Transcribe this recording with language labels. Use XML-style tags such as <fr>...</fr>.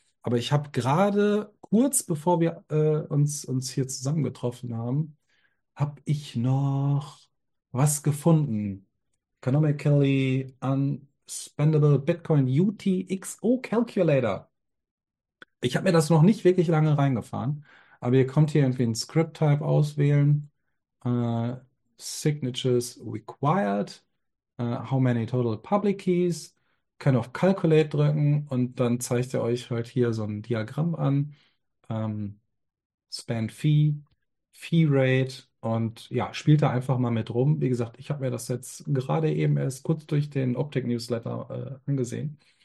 <de>Aber ich habe gerade kurz bevor wir uns hier zusammengetroffen haben, habe ich noch was gefunden.</de> <en>Economically Unspendable Bitcoin UTXO Calculator.</en> <de>Ich habe mir das noch nicht wirklich lange reingefahren, aber ihr kommt hier irgendwie einen Script-Type auswählen.</de> <en>Signatures required. How many total public keys?</en> <de>Kann auf Calculate drücken und dann zeigt er euch halt hier so ein Diagramm an. Spend Fee, Fee Rate und ja, spielt da einfach mal mit rum. Wie gesagt, ich habe mir das jetzt gerade eben erst kurz durch den Optik-Newsletter angesehen.</de>